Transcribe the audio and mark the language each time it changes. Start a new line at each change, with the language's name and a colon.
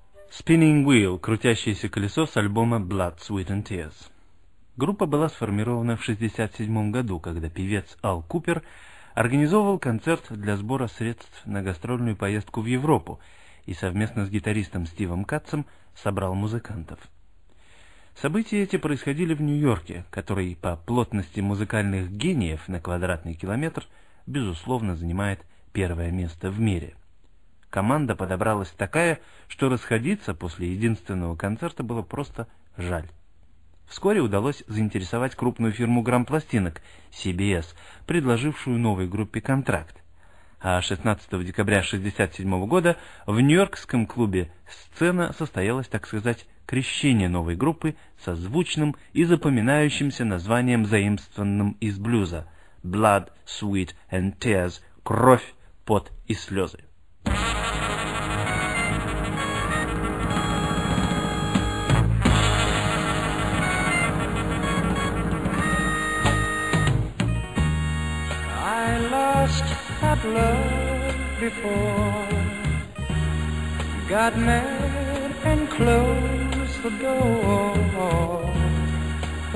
Russian: Spinning Wheel – крутящееся колесо с альбома Blood, Sweat and Tears. Группа была сформирована в 1967 году, когда певец Ал Купер организовывал концерт для сбора средств на гастрольную поездку в Европу и совместно с гитаристом Стивом Катцем собрал музыкантов. События эти происходили в Нью-Йорке, который по плотности музыкальных гениев на квадратный километр, безусловно, занимает первое место в мире. Команда подобралась такая, что расходиться после единственного концерта было просто жаль. Вскоре удалось заинтересовать крупную фирму грампластинок CBS, предложившую новой группе контракт. А 16 декабря 1967 года в нью-йоркском клубе «Сцена» состоялось, так сказать, крещение новой группы со звучным и запоминающимся названием, заимствованным из блюза «Blood, Sweat and Tears» – «Кровь, пот и слезы».
English: I lost that love before, got mad and closed the door, but